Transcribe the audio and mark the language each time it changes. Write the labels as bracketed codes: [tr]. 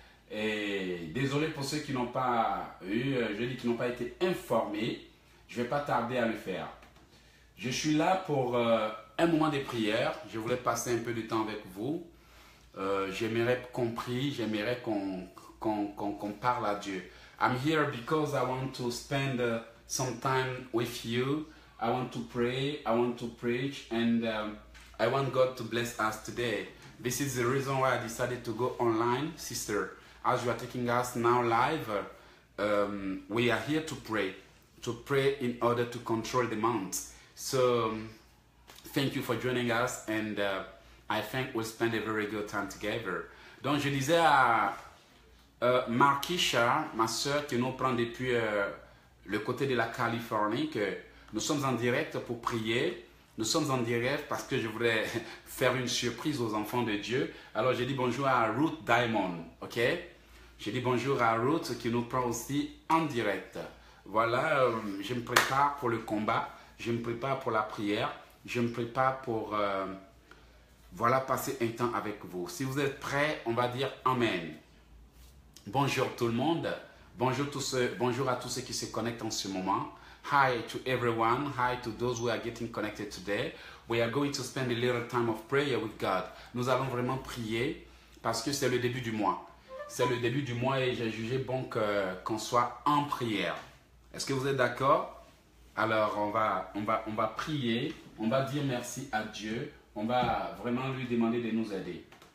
[fr] Et désolé pour ceux qui n'ont pas eu, je dis, qui n'ont pas été informés. Je ne vais pas tarder à le faire. Je suis là pour un moment de prière. Je voulais passer un peu de temps avec vous. J'aimerais qu'on prie, j'aimerais qu'on parle à Dieu. [en] I'm here because I want to spend some time with you. I want to pray, I want to preach, and I want God to bless us today. This is the reason why I decided to go online, sister. As you are taking us now live, we are here to pray in order to control the month. So, thank you for joining us, and I think we'll spend a very good time together. [fr] Donc, je disais à Markisha, ma soeur qui nous prend depuis le côté de la Californie, que nous sommes en direct pour prier. Nous sommes en direct parce que je voudrais faire une surprise aux enfants de Dieu. Alors, j'ai dit bonjour à Ruth Diamond, ok? J'ai dit bonjour à Ruth qui nous prend aussi en direct. Voilà, je me prépare pour le combat. Je me prépare pour la prière. Je me prépare pour, voilà, passer un temps avec vous. Si vous êtes prêts, on va dire Amen. Bonjour tout le monde. Bonjour à tous ceux qui se connectent en ce moment. [en] Hi to everyone. Hi to those who are getting connected today. We are going to spend a little time of prayer with God. [fr] Nous allons vraiment prier parce que c'est le début du mois. C'est le début du mois et j'ai jugé bon qu'on soit en prière. Est-ce que vous êtes d'accord? Alors on va prier. On va dire merci à Dieu. On va vraiment lui demander de nous aider.